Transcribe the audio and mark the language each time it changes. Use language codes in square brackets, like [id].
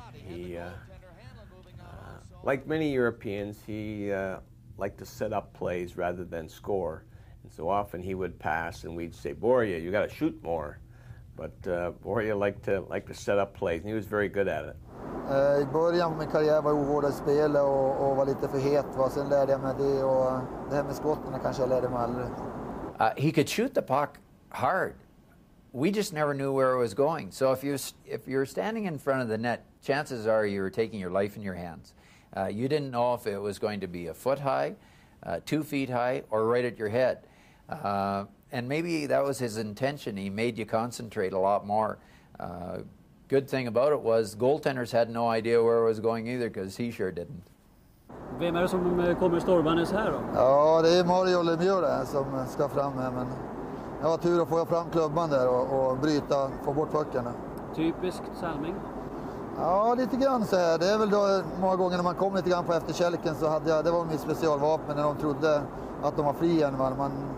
[en] He, like many Europeans, he liked to set up plays rather than score. And so often he would pass and we'd say, Börje, you got to shoot more. But Börje liked to set up plays, and he was very good at it. [sv] I början av min karriär var ovårdad spel och var lite för het. Sen lärde jag mig det, och det här med skotten kanske jag lärde mig aldrig. [en] He could shoot the puck hard. We just never knew where it was going. So if you're standing in front of the net, chances are you were taking your life in your hands. You didn't know if it was going to be a foot high, 2 feet high, or right at your head. and maybe that was his intention. He made you concentrate a lot more. Good thing about it was goaltenders had no idea where it was going either, because he sure didn't. [sv] Vem är det som kommer stormandes här då? Ja, det är Mario Lemieux där som ska fram här, men jag var tur att få fram klubban där och bryta, få bort puckarna. Typiskt Salming. Ja, lite grann så här. Det är väl då många gånger när man kommer lite grann på efterkälken, så hade jag, det var min specialvapen när de trodde att de var fri än, va?